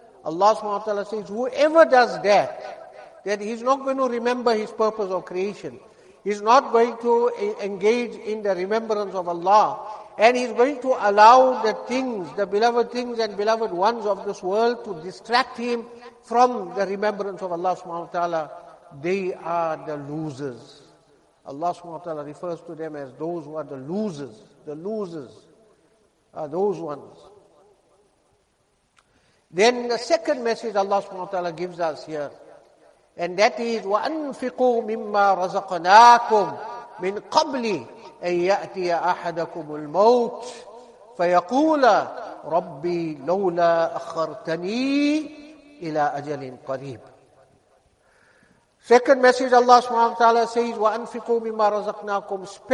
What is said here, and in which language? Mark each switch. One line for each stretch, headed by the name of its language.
English: Allah subhanahu wa ta'ala says, whoever does that, that he's not going to remember his purpose of creation, he's not going to engage in the remembrance of Allah, and he's going to allow the things, the beloved things and beloved ones of this world, to distract him from the remembrance of Allah subhanahu wa ta'ala, they are the losers. Allah subhanahu wa ta'ala refers to them as those who are the losers. The losers are those ones. Then the second message Allah subhanahu wa ta'ala gives us here, and that is,
Arabic: وَأَنْفِقُوا مِمَّا رَزَقْنَاكُمْ مِنْ قَبْلِ أَنْ يَأْتِيَ أَحَدَكُمُ الْمَوْتِ فَيَقُولَ رَبِّي لَوْلَا أَخَّرْتَنِي إِلَىٰ أَجَلٍ قَرِيبٍ.
English: Second message Allah subhanahu wa ta'ala says,
Arabic: وَأَنْفِقُوا مِمَّا رَزَقْنَاكُمْ.